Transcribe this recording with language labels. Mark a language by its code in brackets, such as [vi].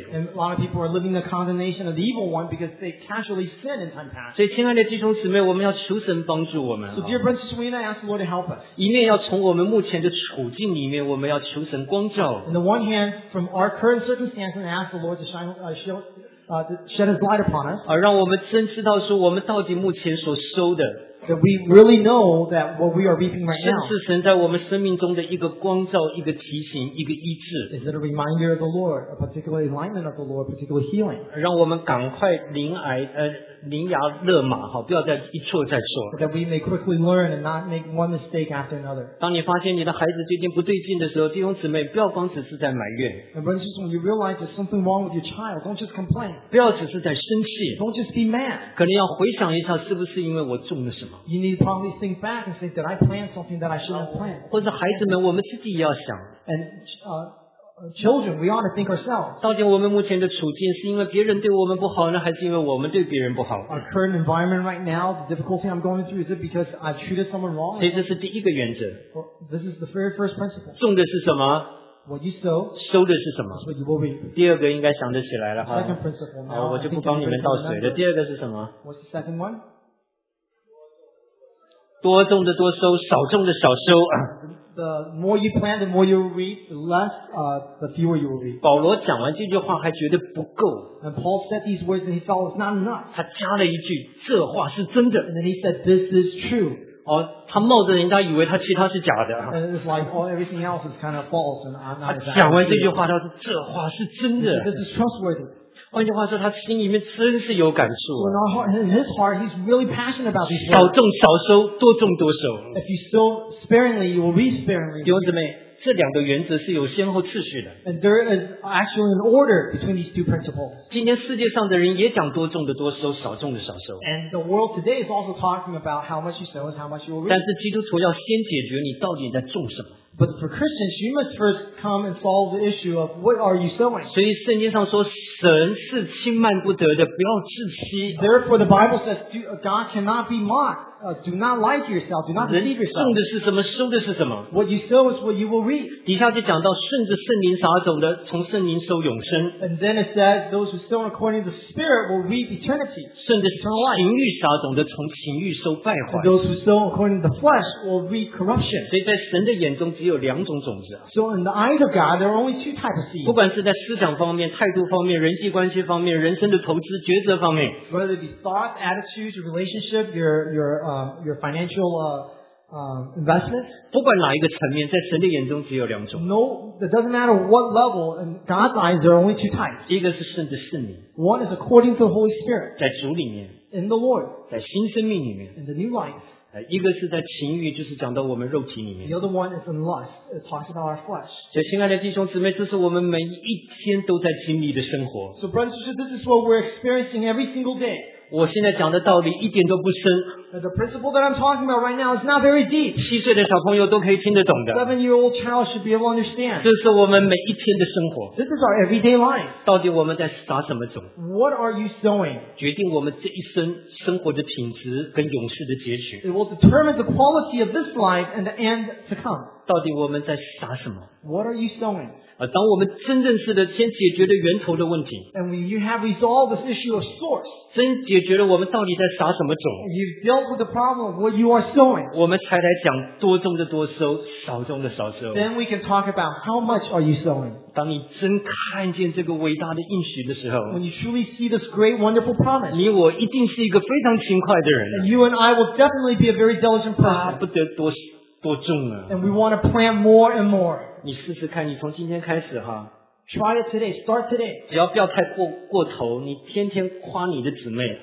[en] And a lot of people are living the condemnation of the evil one because they casually sin in time past. [zh] 所以，亲爱的弟兄姊妹，我们要求神帮助我们。 [en] So dear brothers, we need to ask the Lord to help us. [zh] 一面要从我们目前的处境里面，我们要求神光照。 [en] On the one hand, from our current circumstances, and ask the Lord to shine, show. Shed his light upon us. [zh] 而让我们真知道说我们到底目前所收的。 [en] That we really know that what we are reaping right now. [zh] 甚至神在我们生命中的一个光照、一个提醒、一个医治。 [en] Is it a reminder of the Lord, a particular enlightenment of the Lord, particular healing? [zh] 让我们赶快临癌临崖勒马，好，不要再一错再错。 [en] That we may quickly learn and not make one mistake after another. [zh] 当你发现你的孩子最近不对劲的时候，弟兄姊妹，不要光只是在埋怨。 [en] And brothers, when you realize there's something wrong with your child, don't just complain. [zh] 不要只是在生气。 [en] Don't just be mad. [zh] 可能要回想一下，是不是因为我中了什么？ [en] You need to probably think back and think, did I plan something that I shouldn't plan? [zh] 或者孩子们，我们自己也要想。 [en] And Children, we ought to think ourselves. [zh] 到底我们目前的处境是因为别人对我们不好呢，还是因为我们对别人不好？ [en] Our current environment right now, the difficulty I'm going through, is it because I treated someone wrong? [zh] 其实是第一个原则。 [en] This is the very first principle. [zh] 种的是什么？ [en] What you sow, [zh] 收的是什么 [en] what you will reap. [zh] 第二个应该想得起来了 [en] 哈。Now, [zh] 我就不帮你们倒水了。第二个是什么 [en] What's the second one? [zh] 多种的多收，少种的少收。 [en] The more you plant, the more you reap. The less, the fewer you will reap. [zh] 保罗讲完这句话还觉得不够。 [en] And Paul said these words, and he thought it's not enough. [zh] 他加了一句，这话是真的。 [en] And then he said, "This is true." [zh] 哦，他冒着人家以为他其他是假的。 [en] And it's like all everything else is kind of false and not. [zh] 他讲完这句话，他说这话是真的。 [en] This is trustworthy. [zh] 换句话说，他心里面真是有感触。 [en] In his heart, he's really passionate about these. [zh] 少种少收，多种多收。 [en] If you sow sparingly, you will reap sparingly. [zh] 弟兄姊妹，这两个原则是有先后次序的。 [en] And there is actually an order between these two principles. [zh] 今天世界上的人也讲多种的多收，少种的少收。 [en] And the world today is also talking about how much you sow is how much you will reap. [zh] 但是基督徒要先解决你到底在种什么。 [en] But for Christians, you must first come and solve the issue of what are you sowing. [zh] 所以圣经上说。神是轻慢不得的，不要自欺。 [en] Therefore, the Bible says, God cannot be mocked. Do not lie to yourself. Do not deceive yourself. [zh] 种的是什么，收的是什么。 [en] What you sow is what you will reap. [zh] 底下就讲到，顺着圣灵撒种的，从圣灵收永生。 [en] And then it says, those who sow according to the Spirit will reap eternity. [zh] 顺着情欲撒种的，从情欲收败坏。 [en] And those who sow according to the flesh will reap corruption. [zh] 所以在神的眼中只有两种种子。 [en] So in the eyes of God, there are only two types of seed. [zh] 不管是在思想方面、态度方面、人际关系方面、人生的投资抉择方面。 [en] Whether it be thought, attitudes, your relationship, your financial investments. [zh] 不管哪一个层面，在神的眼中只有两种。 [en] No, it doesn't matter what level. In God's eyes, there are only two types. [zh] 一个是顺着圣灵。 [en] One is according to the Holy Spirit. [zh] 在主里面。 [en] In the Lord. [zh] 在新生命里面。 [en] In the new life. [zh] 一个是在情欲，就是讲到我们肉体里面。 [en] The other one is in lust, it talks about our flesh. [zh] 所以，亲爱的弟兄姊妹，这是我们每一天都在经历的生活。 [en] So brothers, this is what we're experiencing every single day. [zh] 我现在讲的道理一点都不深。 [en] The principle that I'm talking about right now is not very deep. [zh] 七岁的小朋友都可以听得懂的。 [en] 7-year-old child should be able to understand. [zh] 这是我们每一天的生活。 [en] This is our everyday life. [zh] 到底我们在撒什么种 [en] ？What are you sowing? [zh] 决定我们这一生。生活的品质跟永世的结局。 [en] It will determine the quality of this life and the end to come. [zh] 到底我们在撒什么 [en] ？What are you sowing? [zh] 当我们真正是的先解决了源头的问题。 [en] And when you have resolved this issue of source. [zh] 真解决了我们到底在撒什么种 [en] ？You've dealt with the problem of what you are sowing. [zh] 我们才来讲多种的多收，少种的少收。 [en] Then we can talk about how much are you sowing. [zh] 当你真看见这个伟大的应许的时候 [en] ，When you truly see this great wonderful promise. [zh] 你我一定是一个。非常勤快的人。 [en] You and I will definitely be a very diligent person. [zh] 不得多种啊。 [en] And we want to plant more and more. [zh] 你试试看，你从今天开始哈。 [en] Try it today. Start today. [zh] 只要不要太过头，你天天夸你的姊妹。